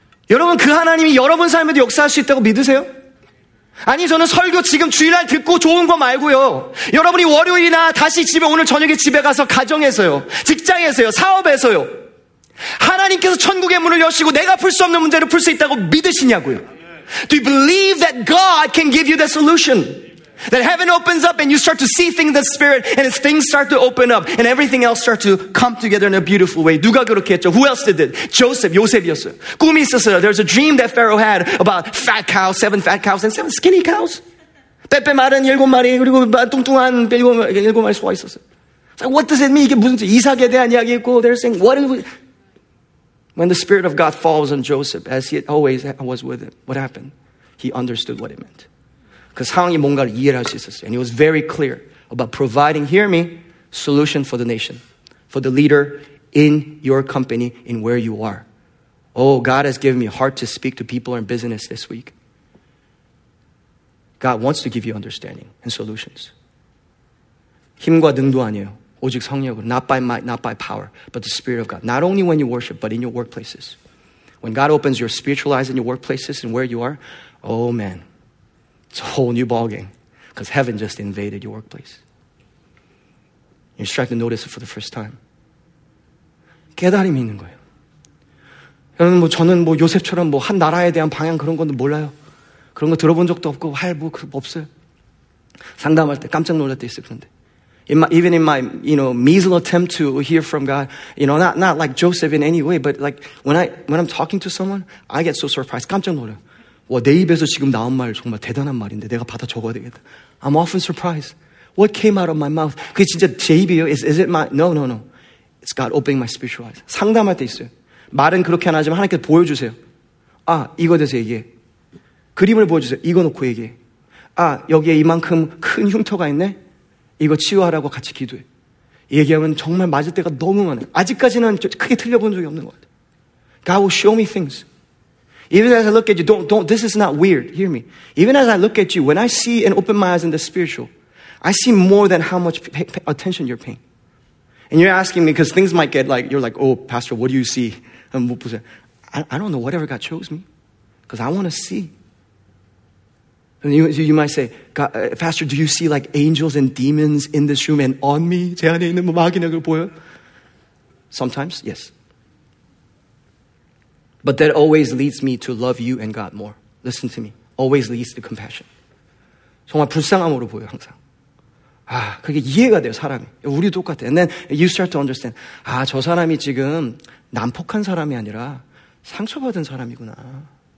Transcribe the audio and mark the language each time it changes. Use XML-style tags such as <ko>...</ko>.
<ko>여러분 그 하나님이 여러분 삶에도 역사할 수 있다고 믿으세요? 아니 저는 설교 지금 주일날 듣고 좋은 거 말고요. 여러분이 월요일이나 다시 집에 오늘 저녁에 집에 가서 가정에서요. 직장에서요. 사업에서요. 하나님께서 천국의 문을 여시고 내가 풀 수 없는 문제를 풀 수 있다고 믿으시냐고요.</ko> <en>Do you believe that God can give you the solution? That heaven opens up and you start to see things in the spirit and things start to open up and everything else start to come together in a beautiful way.</en> <ko>누가 그렇게 했죠?</ko> <en>Who else did it?</en> <ko>Joseph, 요셉이었어요. 꿈이 있었어요.</ko> <en>There's a dream that Pharaoh had about fat cows, 7 fat cows and 7 skinny cows.</en> <ko>빼빼 마른 7마리 그리고 뚱뚱한 7마리 소가 있었어요.</ko> <en>Like, what does it mean?</en> <ko>이게 무슨 이삭에 대한 이야기 있고</ko> <en>they're saying, what is it? When the Spirit of God falls on Joseph, as he always was with him, what happened? He understood what it meant. Because</en> <ko>상황이 뭔가를 이해를 할 수 있었어요.</ko> <en>And he was very clear about providing, hear me, solution for the nation, for the leader in your company, in where you are. Oh, God has given me heart to speak to people in business this week. God wants to give you understanding and solutions.</en> <ko>힘과 능도 아니에요. 오직 성령으로,</ko> <en>not by might, not by power, but the Spirit of God. Not only when you worship, but in your workplaces. When God opens your spiritual eyes in your workplaces and where you are, oh man, it's a whole new ballgame. Because heaven just invaded your workplace. You start to notice it for the first time.</en> <ko>깨달음이 있는 거예요. 여러분, 뭐 저는 뭐 요셉처럼 뭐 한 나라에 대한 방향 그런 건 몰라요. 그런 거 들어본 적도 없고, 할 뭐 그 없어요. 상담할 때 깜짝 놀랄 때 있어요, 그런데.</ko> <en>Even in my, you know, measly attempt to hear from God, you know, not like Joseph in any way, but like when I'm talking to someone, I get so surprised.</en> <ko>깜짝 놀라요. 와, 내 입에서 지금 나온 말 정말 대단한 말인데 내가 받아 적어야 되겠다.</ko> <en>I'm often surprised. What came out of my mouth?</en> <ko>그게 진짜 제 입이에요?</ko> <en>Is it my? No. It's God opening my spiritual eyes.</en> <ko>상담할 때 있어요. 말은 그렇게 안 하지만 하나님께서 보여주세요. 아, 이거 대해서 얘기해. 그림을 보여주세요. 이거 놓고 얘기해. 아, 여기에 이만큼 큰 흉터가 있네? 이거 치유하라고 같이 기도해. 얘기하면 정말 맞을 때가 너무 많아요. 아직까지는 크게 틀려본 적이 없는 것 같아요.</ko> <en>God will show me things. Even as I look at you, this is not weird. Hear me. Even as I look at you, when I see and open my eyes in the spiritual, I see more than how much attention you're paying. And you're asking me because things might get like, you're like, oh, pastor, what do you see? I don't know, whatever God chose me. Because I want to see. And you might say, God, pastor, do you see like angels and demons in this room and on me?</en> <ko>제 안에 있는 마귀 내가 보여?</ko> <en>Sometimes, yes. But that always leads me to love you and God more. Listen to me. Always leads to compassion.</en> <ko>정말 불쌍함으로 보여, 항상. 아, 그게 이해가 돼요, 사람이. 우리도 똑같아.</ko> <en>And then you start to understand.</en> <ko>아, 저 사람이 지금 난폭한 사람이 아니라 상처받은 사람이구나.</ko>